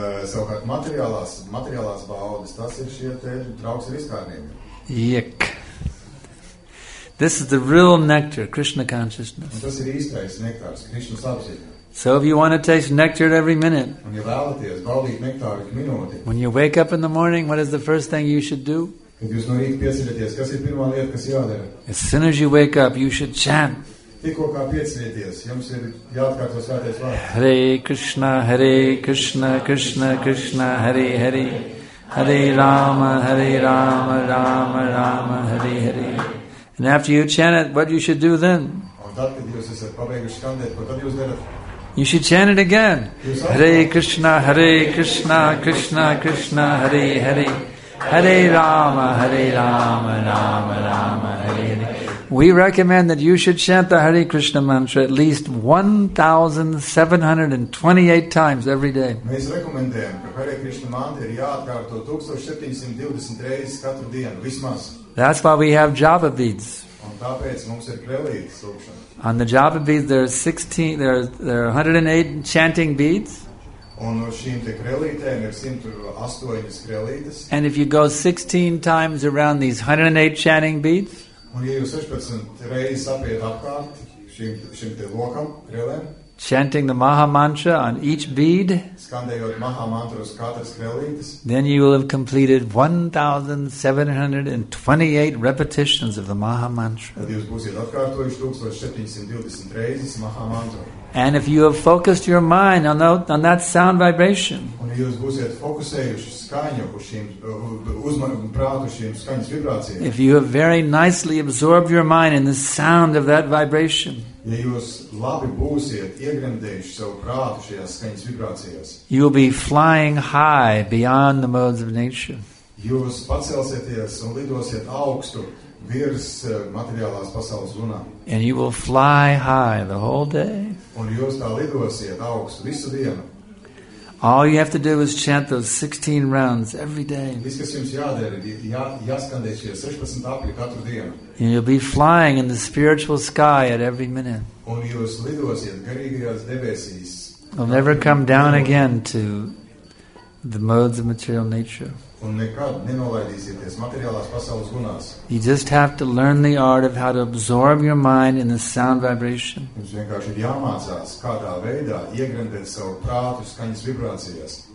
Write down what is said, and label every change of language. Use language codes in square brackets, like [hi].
[lv] Savukārt materiālās baudas, tas ir šie te draugs ar izkārnījumiem. Yik. [en] This is the real nectar, Krishna consciousness. [lv] Un tas ir īstais nektārs, Krishnas apziņa. [en] So if you want to taste nectar at every minute, [lv] un ja vēlaties baudīt nektāru ik minūti, [en] when you wake up in the morning, what is the first thing you should do? [lv] Kad jūs no rīta piecerieties, kas ir pirmā lieta, kas jādara? [en] As soon as you wake up, you should chant. [lv] Tikko kā piecerieties, jums ir jāatkārto svētais vārds. [sa] Hare Krishna, Hare Krishna, Krishna Krishna, Hare Hare. Hare Rama, Hare Rama, Rama Rama, Hare Hare. [en] And after you chant it, what you should do then? [lv] Un tad, kad jūs esat pabeiguši skandēt, ko tad jūs darat? [en] You should chant it again. [sa] Hare Krishna, Krishna Krishna, Hare Hare. Hare Rama, Hare Rama, Rama Rama, Hare Hare. [en] We recommend that you should chant the Hare Krishna mantra at least 1,728 times every day. [lv] Mēs rekomendējam, ka Hare Krishna mantra ir jāatkārto 1,723 katru dienu, vismaz. [en] That's why we have japa beads. [lv] Un tāpēc mums ir prelīdes lūkšana. [en] On the japa beads there are 108 chanting beads. [lv] Un no šīm te krelītēm ir 108 krelītes. [en] And if you go 16 times around these 108 chanting beads, [lv] un ja jūs 16 reizes apiet apkārt šim te lokam, krelēm, [en] chanting the Maha Mantra on each bead, [lv] skandējot Maha Mantra uz katras krelītes, [en] then you will have completed 1,728 repetitions of the Maha Mantra. [lv] Tad jūs būsiet atkārtojuši 1,720 reizes Maha Mantra. [en] And if you have focused your mind on that sound vibration, [lv] un ja jūs būsiet fokusējuši skaņu uz šīm uzmanību prātu šīm skaņas vibrācijām, [en] if you have very nicely absorbed your mind in the sound of that vibration, [lv] ja jūs labi būsiet iegremdējuši savu prātu šajās skaņas vibrācijās, [en] you will be flying high beyond the modes of nature. [lv] Jūs pacelsieties un lidosiet augstu virs materiālās pasaules runām. [en] And you will fly high the whole day. [lv] Un jūs tā lidosiet augstu visu dienu. [en] All you have to do is chant those 16 rounds every day. [lv] Viss, kas jums jādara, jāskandē šie 16 apļi katru dienu. [en] And you'll be flying in the spiritual sky at every minute. [lv] Un jūs lidosiet garīgajās debesīs. [en] You'll never come down again to the modes of material nature. [lv] Un nekad nenolaidīsieties materiālās pasaules gunās. [en] You just have to learn the art of how to absorb your mind in the sound vibration. [lv] Jums vienkārši ir jāmācās, kādā veidā iegremdēt savu prātu skaņas vibrācijas.